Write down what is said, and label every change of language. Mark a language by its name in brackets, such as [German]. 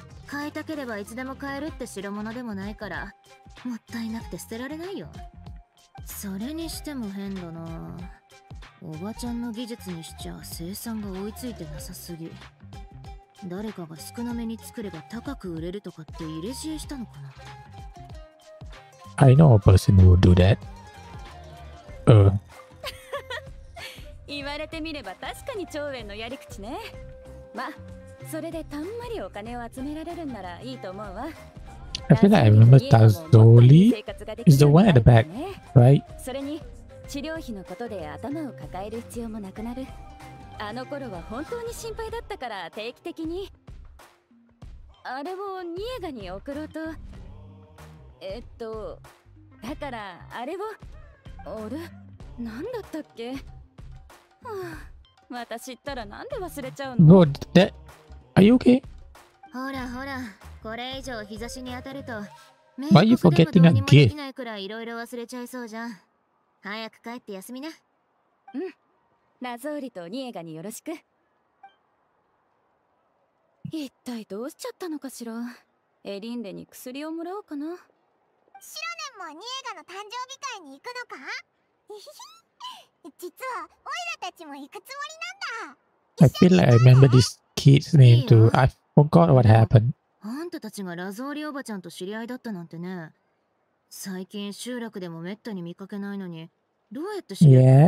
[Japanese] 変えたければいつでも変えるって代物でもないから、もったいなくて捨てられないよ。それにしても変だな、おばちゃんの技術にしちゃ生産が追いついてなさすぎ。誰かが少なめに作れば高く売れるとかって入れ知恵したのかな。 [English] I know a person who will do that. [Japanese] 言われてみれば確かに長遠のやり口ね。まあそれでたんまりお金を集められるんならいいと思うわ。 [English] I feel like I remember Tazoli is the one at the back, right? [Japanese] それに治療費のことで頭を抱える必要もなくなる。あの頃は本当に心配だったから、定期的にあれをニエガに送ろうと。だからあれを、あれ何だったっけ。はあ、私ったらなんで忘れちゃうの。 [English] No, that... Are you okay? [Japanese] ほらほら、これ以上日差しに当たると目がどうにもできないくらいいろいろ忘れちゃいそうじゃん。早く帰って休みな。うん、ラゾーリとニエガによろしく。一体どうしちゃったのかしら。エリンレに薬をもらおうかな。シロネンもニエガの誕生日会に行くのか。実はオイラたちも行くつもりなんだ。 [English] I feel like I remember this kid's name too. I forgot what happened. [Japanese] あんたたちがラゾーリおばちゃんと知り合いだったなんてね。最近集落でもめったに見かけないのに、どうやって知り合